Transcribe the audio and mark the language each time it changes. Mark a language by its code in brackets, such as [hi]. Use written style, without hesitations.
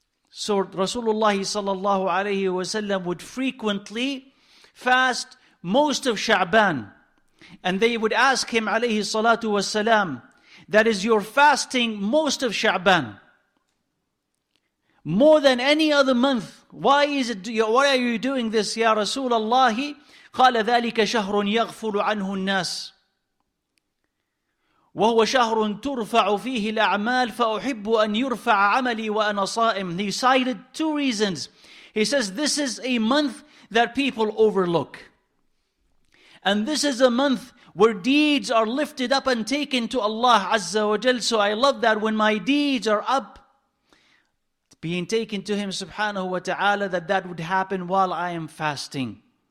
[en] So Rasulullah sallallahu alayhi wa sallam would frequently fast most of Sha'ban. And they would ask him alayhi salatu wa sallam, that is your fasting most of Sha'ban, more than any other month. Why is it? Why are you doing this, ya Rasulullah? [ar] قَالَ ذَلِكَ شَهْرٌ يَغْفُلُ عَنْهُ النَّاسِ وهو شهر ترفع فيه الأعمال فأحب أن يرفع عملي وأنا صائم. [en] He cited two reasons. He says this is a month that people overlook, and this is a month where deeds are lifted up and taken to Allah Azza wa Jal. So I love that when my deeds are up, being taken to Him Subhanahu wa Taala, that would happen while I am fasting.